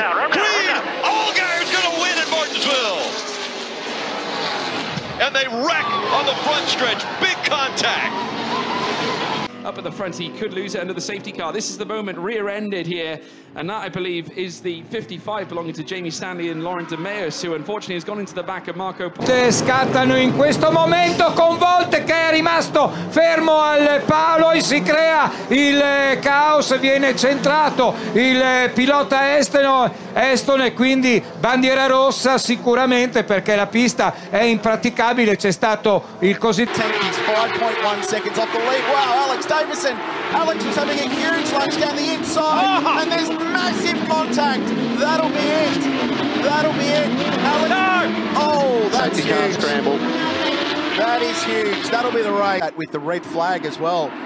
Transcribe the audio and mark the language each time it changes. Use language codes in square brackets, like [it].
[en] Allgaier's going to win at Martinsville. And they wreck on the front stretch. Big contact. Up at the front, he could lose it under the safety car. This is the moment, rear-ended here. And that, I believe, is the 55 belonging to Jamie Stanley and Lauren De Meus, who unfortunately has gone into the back of Marco. [it] Scattano in questo momento con Volt che è rimasto fermo al palo e si crea il caos, viene centrato il pilota Estone, quindi bandiera rossa sicuramente perché la pista è impraticabile, c'è stato il così [en] 5.1 seconds off the lead. Wow, Alex Davison. Alex was having a huge lunge down the inside, and there's massive contact. That'll be it. That'll be it. Alex. Oh, that's safety huge. Car scramble. That is huge. That'll be the right. With the red flag as well.